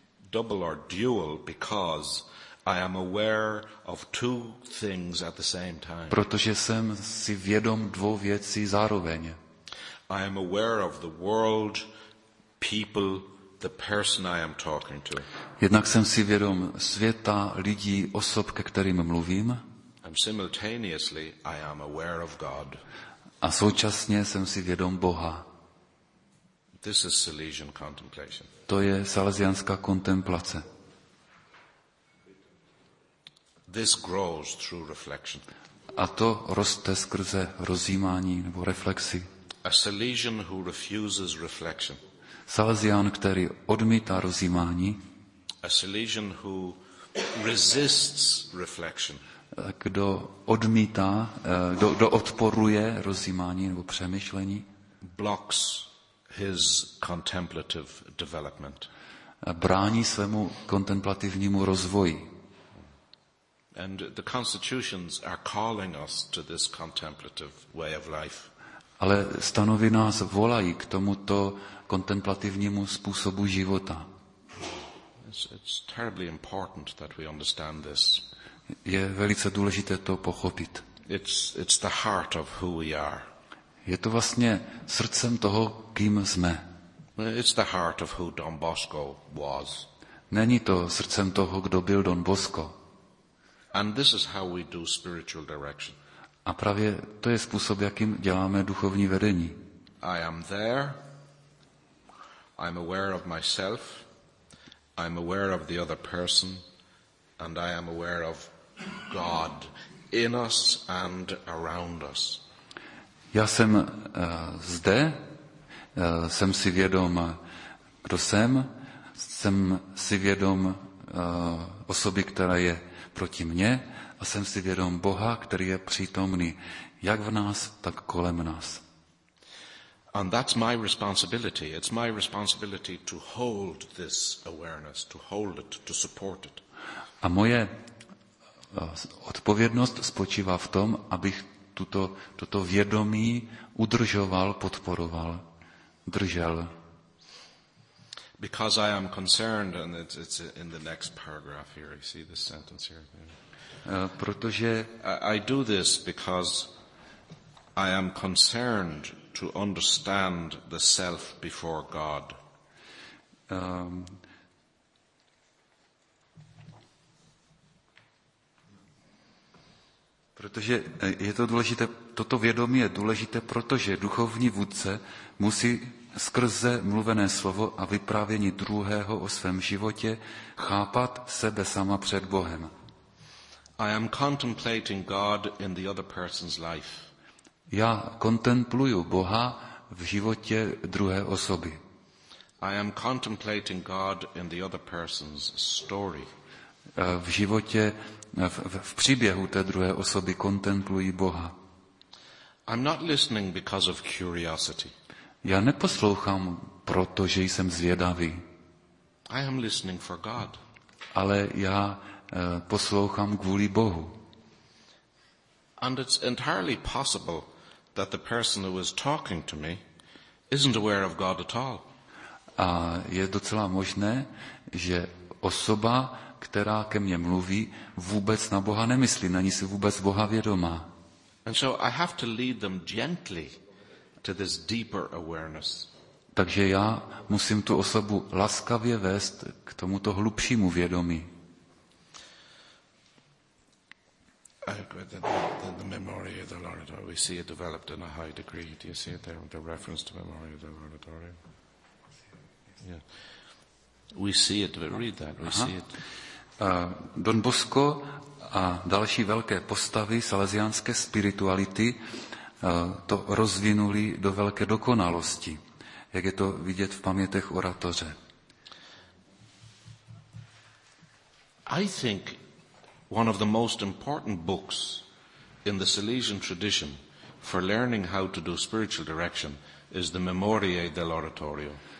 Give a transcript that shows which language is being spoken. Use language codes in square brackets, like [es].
[en] Double or dual because I am aware of two things at the same time. [cs] Protože jsem si vědom dvou věcí zároveň. [en] I am aware of the world, people, the person I am talking to. [cs] Jednak jsem si vědom světa, lidí, osob, ke kterým mluvím. [en] And simultaneously I am aware of God. [cs] A současně jsem si vědom Boha. [en] This is Salesian contemplation. [cs] To je salesiánská kontemplace. [en] This grows through reflection. [cs] A to roste skrze rozjímání nebo reflexi. [en] A Salesian who refuses reflection. [cs] Salesián, který odmítá rozjímání. [en] A Salesian who resists reflection. [cs] Kdo odmítá, kdo odporuje rozjímání nebo přemýšlení. [en] Blocks his contemplative development. [cs] Brání svému kontemplativnímu rozvoji. [en] And the constitutions are calling us to this contemplative way of life. [cs] Ale stanovy nás volají k tomuto kontemplativnímu způsobu života. [en] It's terribly important that we understand this. [cs] Je velice důležité to pochopit. [en] It's the heart of who we are. [cs] Je to vlastně srdcem toho, kým jsme. [en] It's the heart of who Don Bosco was. [cs] Není to srdcem toho, kdo byl Don Bosco. [en] And this is how we do spiritual direction. [cs] A právě to je způsob, jakým děláme duchovní vedení. [en] I am there. I'm aware of myself. I'm aware of the other person and I am aware of God in us and around us. [cs] Já jsem zde, jsem si vědom, kdo jsem si vědom osoby, která je proti mně a jsem si vědom Boha, který je přítomný jak v nás, tak kolem nás. [en] And that's my responsibility. It's my responsibility to hold this awareness, to hold it, to support it. [cs] A moje odpovědnost spočívá v tom, abych toto vědomí udržoval, podporoval, držel. [en] Because I am concerned, and it's in the next paragraph here. You see this sentence here. [cs] Protože [en] I do this because I am concerned to understand the self before God. [cs] Protože je to důležité, toto vědomí je důležité, protože duchovní vůdce musí skrze mluvené slovo a vyprávění druhého o svém životě chápat sebe sama před Bohem. [en] I am contemplating God in the other person's life. [cs] Já kontempluju Boha v životě druhé osoby. [en] I am contemplating God in the other person's story. [cs] v životě, v příběhu té druhé osoby kontemplují Boha. [en] I'm not listening because of curiosity. [cs] Já neposlouchám proto, že jsem zvědavý. [en] I am listening for God. [cs] Ale já poslouchám kvůli Bohu. [en] And it's entirely possible that the person who is talking to me isn't aware of God at all. [cs] A je docela možné, že osoba, která ke mně mluví, vůbec na Boha nemyslí, není si vůbec Boha vědomá. [en] And so I have to lead them gently to this deeper awareness. [cs] Takže já musím tu osobu laskavě vést k tomuto hlubšímu vědomí. [en] The memory of the laudatorium, we see it developed in a high degree. Do you see it there, the reference to memory of the laudatorium? Yeah. We see it, but read that, we see it. [cs] Don Bosco a další velké postavy salesiánské spirituality to rozvinuli do velké dokonalosti, jak je to vidět v pamětech oratoře. [en] I think one of the most important books in the Salesian tradition for learning how to do spiritual direction is the Memoriae dell'Oratorio.